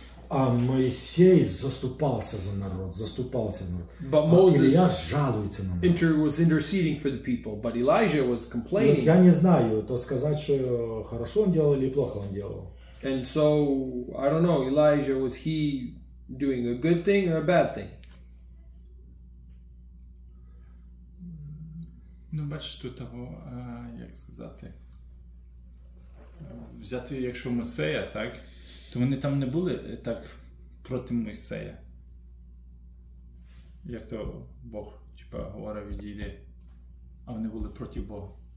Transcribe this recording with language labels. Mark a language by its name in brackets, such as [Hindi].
[Russian] А Моисей заступался за народ, заступался за народ. [English] But Moses, [Russian] Илья жалуется на народ. [English] Was interceding for the people, but Elijah was complaining. [Russian] Я не знаю, то сказать, что хорошо он делал или плохо он делал. [English] And so, I don't know, Elijah, was he doing a good thing or a bad thing? [Ukrainian] Ну, бачиш, тут того, як сказати, взяти, якщо Моисея, так, то вони там не були так проти Моїсея. Як то Бог, типа, говорив, відійде, а вони були проти Бога.